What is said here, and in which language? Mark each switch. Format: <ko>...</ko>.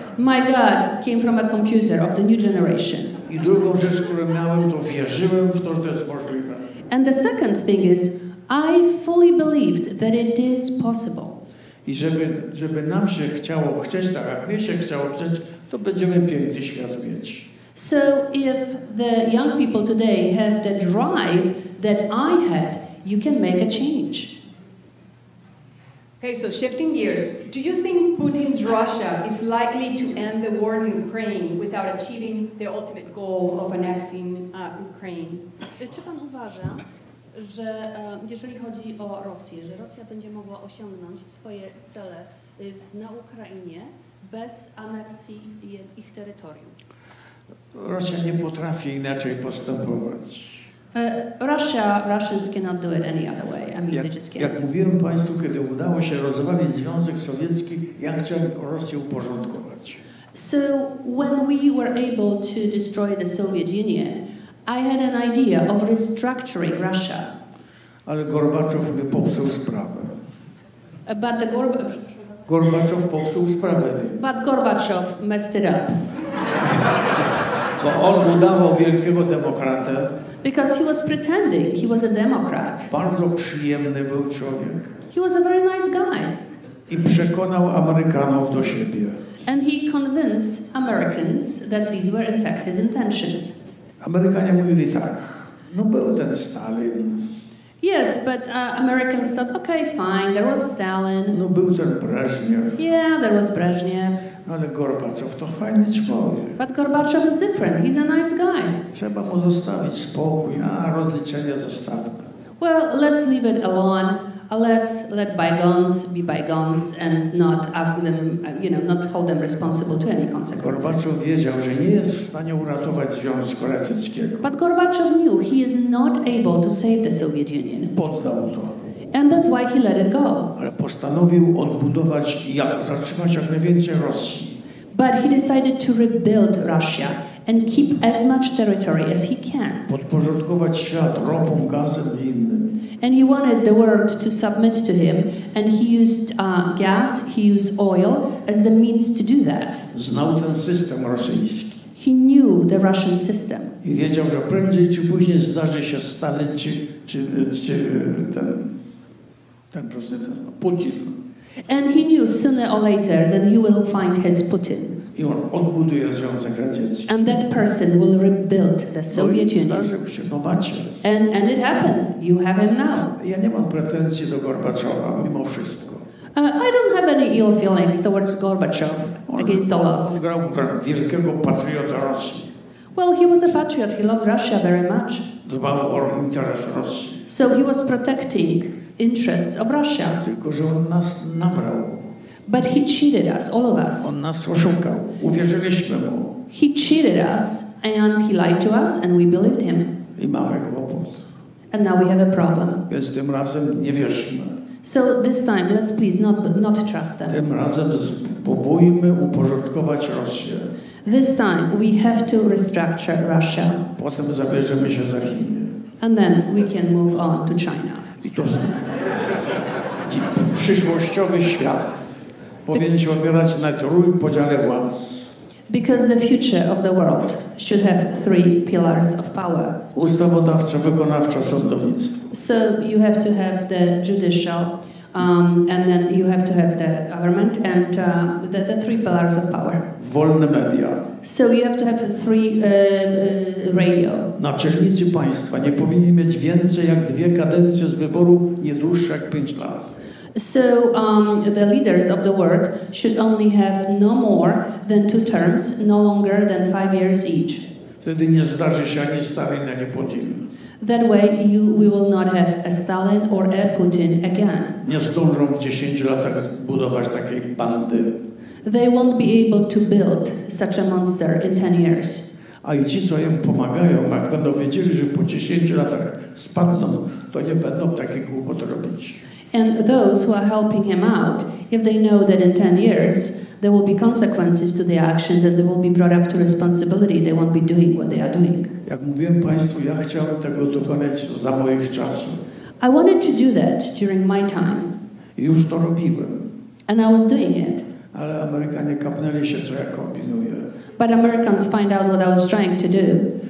<en>My God came from a computer of the new generation.</en> <pl>I drugą rzecz, którą miałem, to wierzyłem w to, że to jest możliwe.</pl> <en>And the second thing is, I fully believed that it is possible.</en> <pl>I żeby nam się chciało chcieć, tak jak mnie się chciało chcieć, to będziemy piękny świat mieć.</pl> <en>So if the young people today have the drive that I had, you can make a change. Okay, so shifting gears. Do you think Putin's Russia is likely to end the war in Ukraine without achieving the ultimate goal of annexing Ukraine?</en> <pl>Czy pan uważa, że jeżeli chodzi o Rosję, że Rosja będzie mogła osiągnąć swoje cele na Ukrainie bez aneksji ich terytorium? Rosja nie potrafi inaczej postępować.</pl> <en>Russians cannot do it any other way. I mean, they just can't.</en> <pl>Jak mówiłem państwu, kiedy udało się rozwalić Związek Sowiecki, ja chciałem Rosję uporządkować.</pl> <en>So when we were able to destroy the Soviet Union, I had an idea of restructuring Russia.</en> <pl>Ale Gorbaczow mi popsuł sprawę.</pl> <en>But</en> <pl>Gorbaczow popsuł sprawę.</pl> <en>But Gorbaczow messed it up.</en> <pl>Bo on udawał wielkiego demokratę.</pl> <en>Because he was pretending he was a Democrat.</en> <pl>Bardzo przyjemny był człowiek.</pl> <en>He was a very nice guy.</en> <pl>I przekonał Amerykanów do siebie.</pl> <en>And he convinced Americans that these were in fact his intentions.</en> <pl>Amerykanie mówili tak, no był ten Stalin.</pl> <en>Yes, but Americans thought, okay, fine, there was Stalin.</en> <pl>No był ten Brezhnev.</pl> <en>Yeah, there was Brezhnev.</en> <pl>No ale Gorbaczow to fajny człowiek.</pl> <en>But Gorbaczow is different, he's a nice guy.</en> <pl>Trzeba mu zostawić spokój, a rozliczenie zostawmy.</pl> <en>Well, let's leave it alone. Let's let bygones be bygones and not ask them, you know, not hold them responsible to any consequences.</en> <pl>Gorbaczow wiedział, że nie jest w stanie uratować Związku Radzieckiego.</pl> <en>But Gorbaczow knew he is not able to save the Soviet Union.</en> <pl>Poddał to.</pl> <en>And that's why he let it go.</en> <pl>Ale postanowił odbudować, zatrzymać jak najwięcej Rosji.</pl> <en>But he decided to rebuild Russia and keep as much territory as he can.</en> <pl>Podporządkować świat ropą, gazem i innym.</pl> <en>And he wanted the world to submit to him, and he used gas, he used oil as the means to do that.</en> <pl>Znał ten system rosyjski.</pl> <en>He knew the Russian system.</en> <pl>I wiedział, że prędzej czy później zdarzy się Stalin czy ten prezydent Putin.</pl> <en>And he knew sooner or later that he will find his Putin.</en> <pl>I on odbuduje Związek Radziecki.</pl> <en>And that person will rebuild the Soviet Union.</en> <pl>No i zdarzył się, no macie.</pl> <en>And it happened. You have him now.</en> <pl>Ja nie mam pretensji do Gorbaczowa, mimo wszystko.</pl> <en>I don't have any ill feelings towards Gorbaczow, against all odds.</en> <pl>On grał wielkiego patriota Rosji.</pl> <en>Well, he was a patriot. He loved Russia very much.</en> <pl>Dbał o interes Rosji.</pl> <en>So he was protecting interests of Russia.</en> <pl>Tylko, że on nas nabrał.</pl> <en>But he cheated us, all of us.</en> <pl>On nas oszukał. Uwierzyliśmy mu.</pl> <en>He cheated us, and he lied to us, and we believed him.</en> <pl>I mamy kłopot.</pl> <en>And now we have a problem.</en> <pl>Więc tym razem nie wierzmy.</pl> <en>So this time, let's please not trust them.</en> <pl>Tym razem spróbujmy uporządkować Rosję.</pl> <en>This time, we have to restructure Russia.</en> <pl>Potem zabierzemy się za Chiny.</pl> <en>And then we can move on to China.</en> <pl>I to przyszłościowy świat. Powinien się opierać na trójpodziale władz.</pl> <en>Because the future of the world should have three pillars of power.</en> <pl>Ustawodawcze, wykonawcze, sądownictwo.</pl> <en>So you have to have the judicial, and then you have to have the government, and the three pillars of power.</en> <pl>Wolne media.</pl> <en>So you have to have three radio.</en> <pl>Naczelnicy państwa nie powinni mieć więcej jak dwie kadencje z wyboru, nie dłuższe jak pięć lat.</pl> <en>So the leaders of the world should only have no more than two terms, no longer than 5 years each.</en> <pl>Wtedy nie zdarzy się ani Stalin, ani Putin.</pl> <en>That way we will not have a Stalin or a Putin again.</en> <pl>Nie zdążą w 10 latach zbudować takiej bandy.</pl> <en>They won't be able to build such a monster in 10 years.</en> <pl>A i ci, co im pomagają, jak będą wiedzieli, że po 10 latach spadną, to nie będą takich głupot robić.</pl> <en>And those who are helping him out, if they know that in 10 years there will be consequences to their actions and they will be brought up to responsibility, they won't be doing what they are doing.</en> <pl>Jak mówiłem państwu, ja chciałem tego dokonać za moich czasów.</pl> <en>I wanted to do that during my time.</en> <pl>I już to robiłem.</pl> <en>And I was doing it.</en> <pl>Ale Amerykanie kapnęli się, co ja kombinuję.</pl> <en>But Americans find out what I was trying to do.</en>